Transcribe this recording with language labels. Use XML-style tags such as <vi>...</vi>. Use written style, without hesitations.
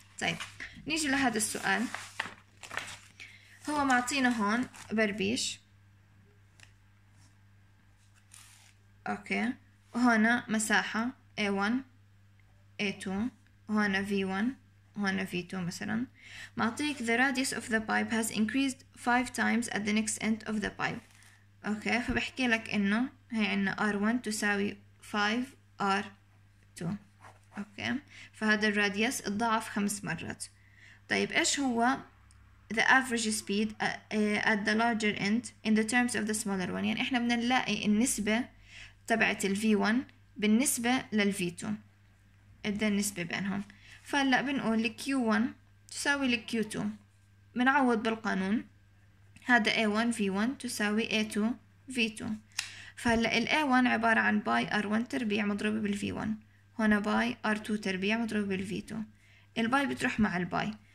<ar>طيب نيجي لهذا السؤال، هو معطينا هون بربيش، أوكي، وهنا مساحة A1 A2، وهنا V1 هنا في 2 مثلا. معطيك</ar> <en>the radius of the pipe</en> <ar>has increased 5 times at the next end of the pipe، اوكي، فبحكي لك انه هي عندنا R1 تساوي 5R2، اوكي، فهذا الراديوس اتضاعف 5 مرات. طيب ايش هو</ar> <en>the average speed at the larger end in the terms of the smaller one؟</en> <ar>يعني احنا بنلاقي النسبة تبعت ال V1 بالنسبة لل V2، اذا النسبة بينهم. فلا بنقول Q1 تساوي Q2، بنعوض بالقانون، هذا A1 V1 تساوي A2 V2. فهلا ال A1 عبارة عن باي R1 تربيع مضروبة بال V1، هنا باي R2 تربيع مضروبة بال V2، الباي بتروح مع الباي.</ar>